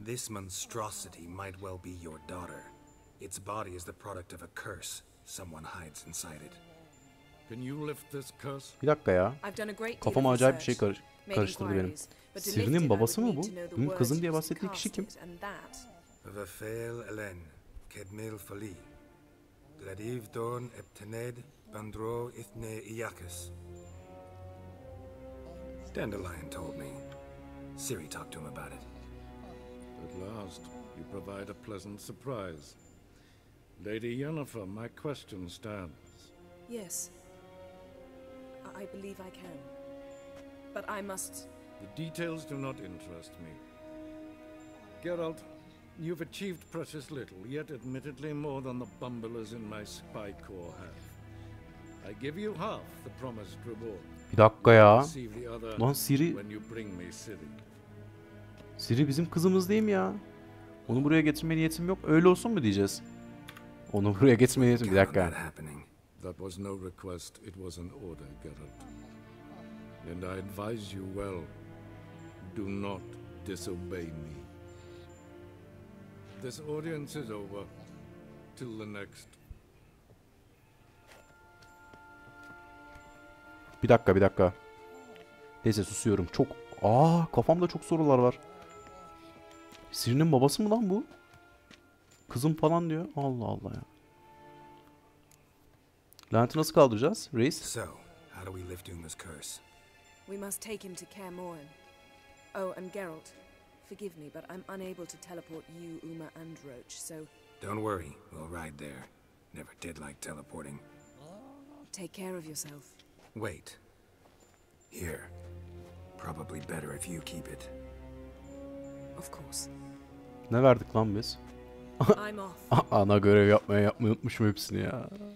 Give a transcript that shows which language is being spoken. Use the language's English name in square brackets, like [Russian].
[English] This monstrosity might well be your daughter. Its body is the product of a curse. Someone hides inside it. Can you lift this curse? [Turkish] Bir dakika ya. Kafam acayip bir şey karıştırdı benim. Sirin'in babası mı bu? Benim kızım diye bahsettiği kişi kim? Vefel Elen, Kedmil Fali, Gladiv Don Epteneid, Bandro Ithne Iyakas. [English] Dandelion told me. Siri talked to him about it. At last, you provide a pleasant surprise. Lady Yennefer, my question stands. Yes. I believe I can. But I must... The details do not interest me. Geralt, you've achieved precious little, yet admittedly more than the bumblers in my spy corps have. I give you half the promised reward. [Turkish] Bir dakika ya. Lan Siri... [English] When you bring me Siri. [Turkish] Siri bizim kızımız değil mi ya? Onu buraya getirme niyetim yok. Öyle olsun mu diyeceğiz? Onu buraya geçmeyeyim bir dakika. [English] That was no request, it was an order, Geralt. And I advise you well, do not disobey me. This audience is over. Till the next. [Turkish] Bir dakika, bir dakika. Neyse susuyorum. Çok kafamda çok sorular var. Sirin'in babası mı lan bu? Kızım falan diyor. Allah Allah ya. Lanet'i nasıl kaldıracağız, reis? [English] So, how do we lift Uma's curse? We must take him to Kaer Morhen. Oh, and Geralt, forgive me, but I'm unable to teleport you, Uma, and Roach, so... Don't worry, we'll ride there. Never did like teleporting. Take care of yourself. Wait. Here. Probably better if you keep it. Of course. [Turkish] Ne verdik lan biz? [English] I'm off. [Turkish] Ana görev yapmayı unutmuşum hepsini ya.